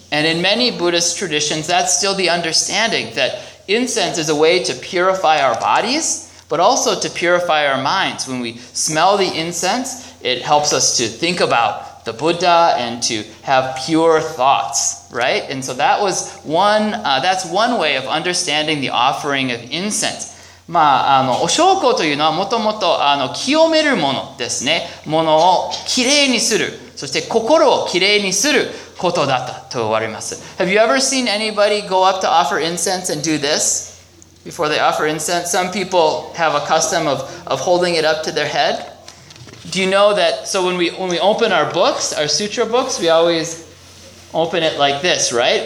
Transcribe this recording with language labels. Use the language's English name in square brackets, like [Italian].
[English] And in many Buddhist traditions, that's still the understanding, that incense is a way to purify our bodies, but also to purify our minds. When we smell the incense, it helps us to think about the Buddha and to have pure thoughts, right? And so that was one, that's one way of understanding the offering of incense. [Japanese] まあ、あの、お焼香というのはもともと、あの、清めるものですね。ものをきれいにする。そして心をきれいにすることだったと言われます。 [English] Have you ever seen anybody go up to offer incense and do this? Before they offer incense, some people have a custom of holding it up to their head. Do you know that, so when we open our books, our sutra books, we always open it like this, right?